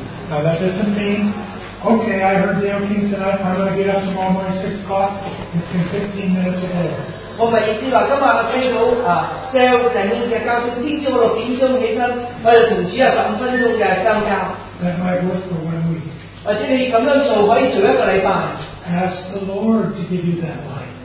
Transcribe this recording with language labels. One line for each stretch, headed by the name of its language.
English: Now that doesn't mean, okay, I heard Dale King tonight, I'm going to get up tomorrow morning at 6 o'clock and spend 15 minutes a day.
Chinese: 我不是意思说今天我听到 Dale 弟兄的教授天朝六点钟起身，我们同主有15分钟的相交。
English: That might work for 1 week.
Chinese: 或者你这样做可以做一个礼拜。
English: Ask the Lord to give you that light.